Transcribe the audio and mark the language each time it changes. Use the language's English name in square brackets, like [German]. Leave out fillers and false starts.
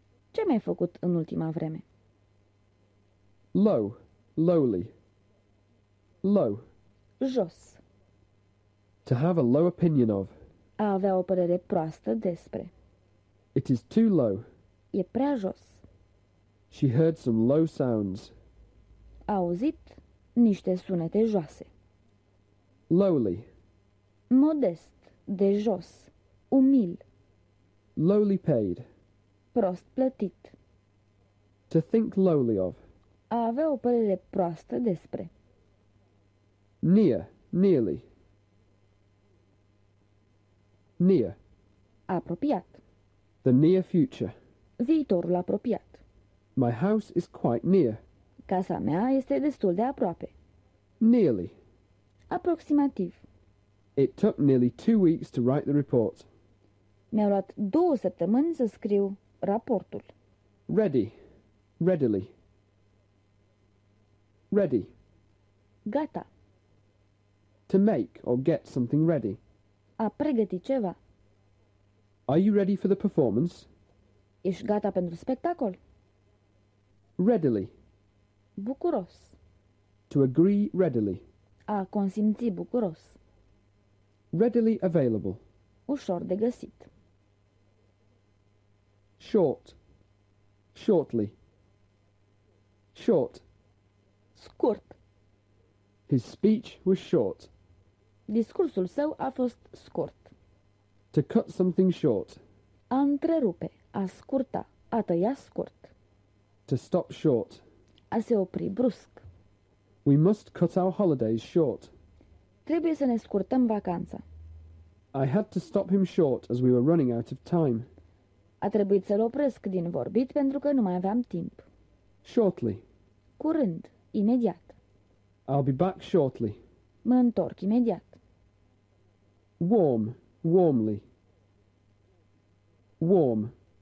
[Romanian] Ce mai ai făcut în ultima vreme? [English] Low, lowly. Low. [Romanian] Jos. [English] To have a low opinion of. [Romanian] A avea o părere proastă despre. [English] It is too low. [Romanian] E prea jos. [English] She heard some low sounds. [Romanian] A auzit niște sunete joase. [English] Lowly. [Romanian] Modest, de jos, umil. [English] Lowly paid. [Romanian] Prost plătit. [English] To think lowly of. [Romanian] A avea o părere proastă despre. [English] Near, nearly. Near. [Romanian] Apropiat. [English] The near future. [Romanian] Viitorul apropiat. [English] My house is quite near. [Romanian] Casa mea este destul de aproape. [English] Nearly. [Romanian] Aproximativ. [English] It took nearly 2 weeks to write the report. [Romanian] Mi-a luat 2 săptămâni să scriu raportul. [English] Ready. Readily. Ready. [Romanian] Gata. [English] To make or get something ready. [Romanian] A pregăti ceva. [English] Are you ready for the performance? [Romanian] Ești gata pentru spectacol? [English] Readily. [Romanian] Bucuros. [English] To agree readily. [Romanian] A consimți bucuros. [English] Readily available. [Romanian] Ușor de găsit. [English] Short. Shortly. Short. [Romanian] Scurt. [English] His speech was short. [Romanian] Discursul său a fost scurt. [English] To cut something short. [Romanian] A întrerupe, a scurta, a tăia scurt. [English] To stop short. [Romanian] A se opri brusc. [English] We must cut our holidays short. [Romanian] Trebuie să ne scurtăm vacanța. [English] I had to stop him short as we were running out of time. [Romanian] A trebuit să-l opresc din vorbit pentru că nu mai aveam timp. [English] Shortly. [Romanian] Curând, imediat. [English] I'll be back shortly. [Romanian] Mă întorc imediat. [English] Warm, warmly. Warm.